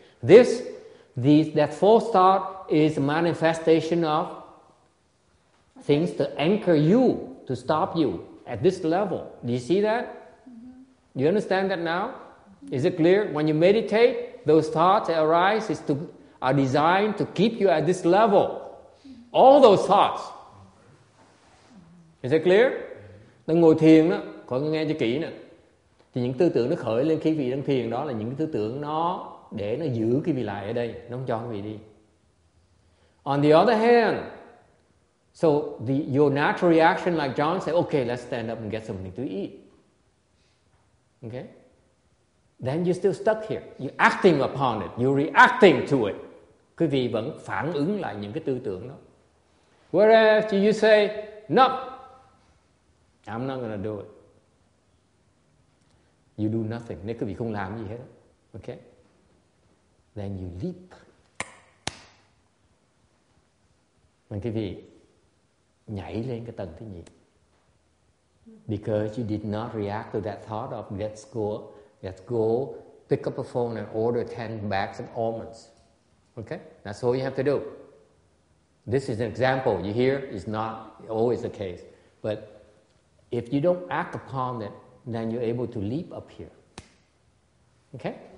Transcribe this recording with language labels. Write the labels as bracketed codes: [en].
[en] That false thought is a manifestation of things to anchor you, to stop you at this level. Do you see that? Mm-hmm. You understand that now? Mm-hmm. Is it clear? When you meditate, those thoughts that arise are designed to keep you at this level. Mm-hmm. All those thoughts. Mm-hmm. Is it clear? [vi] Đang ngồi thiền đó, có nghe cho kỹ nè. Thì những tư tưởng nó khởi lên khi vị đang thiền đó là những tư tưởng nó để nó giữ cái vị lại ở đây, nó không cho cái vị đi. [en] On the other hand, so your natural reaction like John said, okay, let's stand up and get something to eat. Okay? Then you're still stuck here. You're acting upon it. You're reacting to it. [vi] Quý vị vẫn phản ứng lại những cái tư tưởng đó. [en] Whereas you say, no, I'm not gonna do it. You do nothing. [vi] Nếu quý vị không làm gì hết, okay? [en] Then you leap. [vi] Mà quý vị nhảy lên cái tầng thứ nhì. [en] Because you did not react to that thought of let's go, pick up a phone and order 10 bags of almonds. Okay? That's all you have to do. This is an example. You hear? It's not always the case. But if you don't act upon it, then you're able to leap up here. Okay?